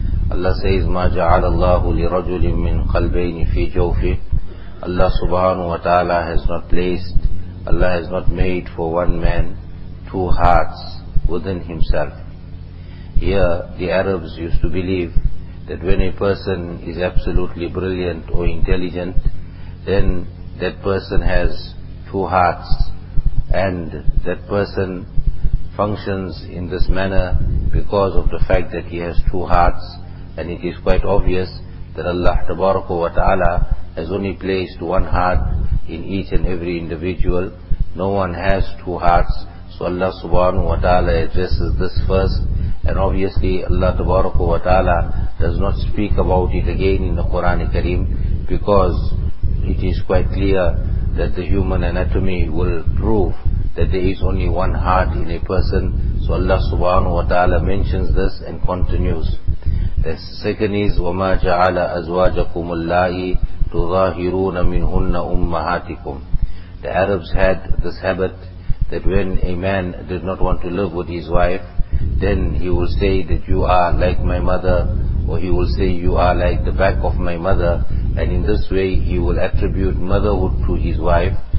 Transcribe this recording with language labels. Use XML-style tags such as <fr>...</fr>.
<en>Allah says,</en> <ar>ما جعل الله لرجل من قلبين في جوفه.</ar> <en>Allah subhanahu wa ta'ala has not placed, Allah has not made for one man two hearts within himself. Here the Arabs used to believe that when a person is absolutely brilliant or intelligent, then that person has two hearts, and that person functions in this manner because of the fact that he has two hearts. And it is quite obvious that Allah tabaraka wa ta'ala has only placed one heart in each and every individual. No one has two hearts. So Allah subhanahu wa ta'ala addresses this first. And obviously Allah tabaraka wa ta'ala does not speak about it again in the Quran Kareem, because it is quite clear that the human anatomy will prove that there is only one heart in a person. So Allah subhanahu wa ta'ala mentions this and continues. The second is,</en> <ar>وَمَا جَعَلَ أَزْوَاجَكُمُ اللَّهِ تُظَاهِرُونَ مِنْهُنَّ أُمَّهَاتِكُمْ.</ar> <en>The Arabs had this habit that when a man did not want to live with his wife, then he will say that you are like my mother, or he will say you are like the back of my mother, and in this way he will attribute motherhood to his wife.</en>